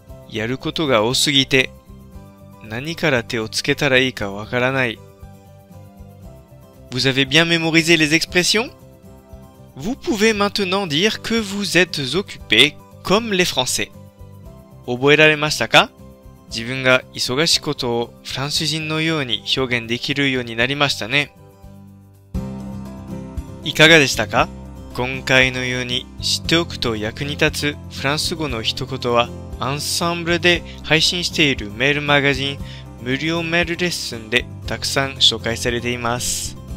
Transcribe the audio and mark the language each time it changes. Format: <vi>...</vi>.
<ja>やることが多すぎて、何から手をつけたらいいかわからない。</ja> <fr>Vous avez bien mémorisé les expressions? Vous pouvez maintenant dire que vous êtes occupé comme les Français.</fr> <ja>覚えられましたか? 自分が忙しいことをフランス人のように表現できるようになりましたね。いかがでしたか? 今回のように知っておくと役に立つフランス語の一言は、アンサンブルで配信しているメールマガジン無料メールレッスンでたくさん紹介されています。</ja>